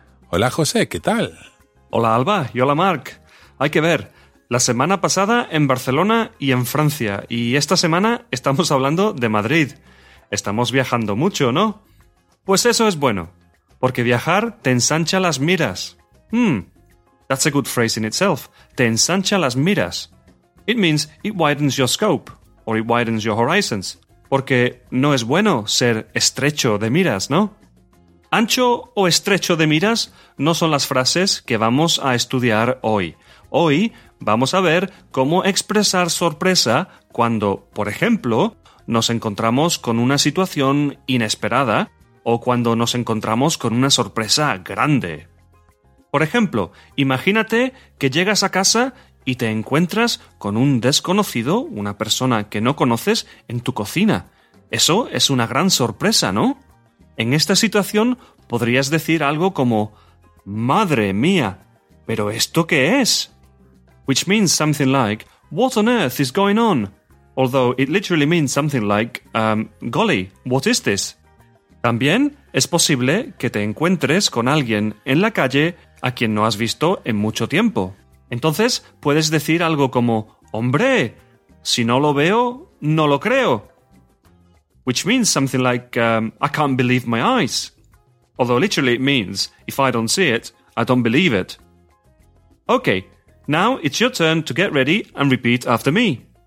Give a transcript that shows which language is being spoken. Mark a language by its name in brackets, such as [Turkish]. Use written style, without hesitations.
[Spanish] Hola, José. ¿Qué tal? Hola, Alba. Y hola, Marc. Hay que ver. La semana pasada en Barcelona y en Francia. Y esta semana estamos hablando de Madrid. Estamos viajando mucho, ¿no? Pues eso es bueno. Porque viajar te ensancha las miras. [English] That's a good phrase in itself. [Spanish] Te ensancha las miras. [English] It means it widens your scope, or it widens your horizons. [Spanish] Porque no es bueno ser estrecho de miras, ¿no? Ancho o estrecho de miras no son las frases que vamos a estudiar hoy. Hoy vamos a ver cómo expresar sorpresa cuando, por ejemplo, nos encontramos con una situación inesperada o cuando nos encontramos con una sorpresa grande. Por ejemplo, imagínate que llegas a casa y te encuentras con un desconocido, una persona que no conoces, en tu cocina. Eso es una gran sorpresa, ¿no? En esta situación podrías decir algo como ¡madre mía! ¿Pero esto qué es? [English] Which means something like ¿what on earth is going on? Although it literally means something like ¡golly! ¿What is this? [Spanish] También es posible que te encuentres con alguien en la calle a quien no has visto en mucho tiempo. Entonces puedes decir algo como ¡hombre! Si no lo veo, no lo creo. [English] Which means something like I can't believe my eyes. Although literally it means if I don't see it, I don't believe it. Okay, now it's your turn to get ready and repeat after me.